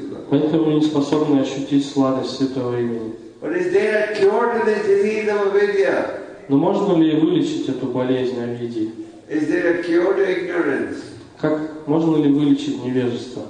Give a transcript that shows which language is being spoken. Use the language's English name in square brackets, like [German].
[Russian] Поэтому мы не способны ощутить сладость Святого Имени. [English] But is there a cure to this disease of avidya? [Russian] Но можно ли вылечить эту болезнь авидьи? [English] Is there a cure to ignorance? [Russian] Как можно ли вылечить невежество?